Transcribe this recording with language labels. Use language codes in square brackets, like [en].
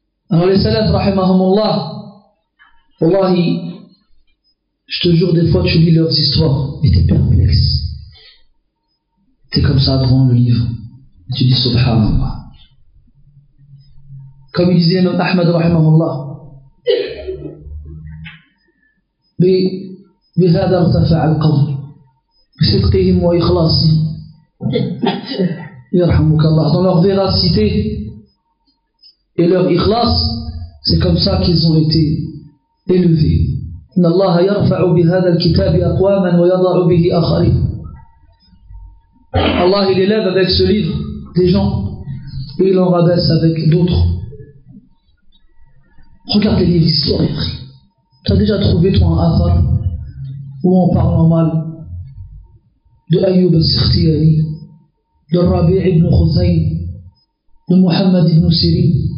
[fr] Alors les salaf, rahimahumullah, Wallahi, je te jure, des fois tu lis leurs histoires et t'es perplexe. T'es comme ça devant le livre, et tu dis subhanallah. Comme il disait [ar] Imam Ahmad, rahimahullah, بهذا ارتفع القبر بصدقهم وإخلاصهم يرحمك الله. [fr] Dans leur véracité et leur ikhlas, c'est comme ça qu'ils ont été élevés. [ar] إن الله يرفع بهذا الكتاب أقواما ويضع به آخرين. [fr] Allah, il élève avec ce livre des gens et il en rabaisse avec d'autres. Regardez les livres historiques. T'as déjà trouvé toi un athar où on parle en mal de Ayyub al-Sikhtiyari, de Rabi ibn Khuzayn, de Muhammad ibn Sirin?